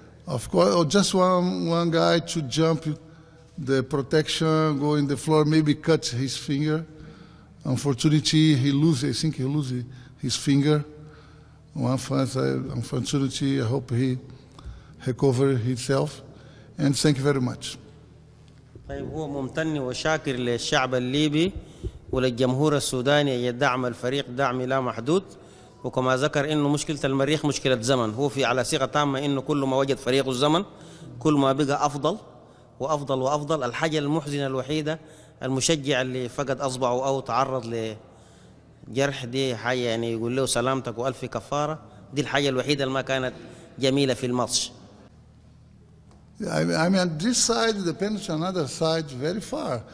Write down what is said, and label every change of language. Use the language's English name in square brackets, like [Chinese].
[English] Of course, oh, just one guy to jump the protection, go in the floor, maybe cut his finger. Unfortunately, he loses his finger. One fans, unfortunately, I hope he recover himself. And thank you very much. [Arabic] طيب هو ممتن وشاكر للشعب الليبي وللجمهور السوداني اللي دعم الفريق دعم لا محدود. وكما ذكر انه مشكله المريخ مشكله زمن، هو في على صيغه تامه انه كل ما وجد فريقه الزمن كل ما بقى افضل وافضل وافضل. الحاجه المحزنه الوحيده المشجع اللي فقد اصبعه او تعرض لجرح، دي حاجه يعني يقول له سلامتك والف كفاره، دي الحاجه الوحيده اللي ما كانت جميله في الماتش. [English] I mean, this side, the penalty, another side, very far.